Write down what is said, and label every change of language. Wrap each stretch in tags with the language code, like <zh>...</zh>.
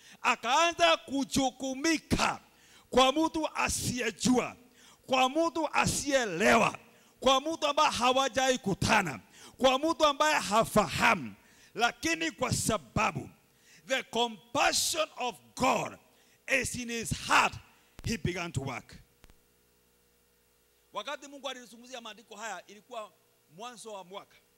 <sw>Akaanza kuchukumika kwa mtu asiyejua, kwa mtu asiyelewa, kwa mtu ambaye hawajai kutana, kwa mtu ambaye hafahamu. Lakini kwa sababu</sw> <en>the compassion of God is in his heart, he began to work.</en> <sw>Wakati Mungu alizungumzia maandiko haya ilikuwa mwanzo wa mwaka.</sw>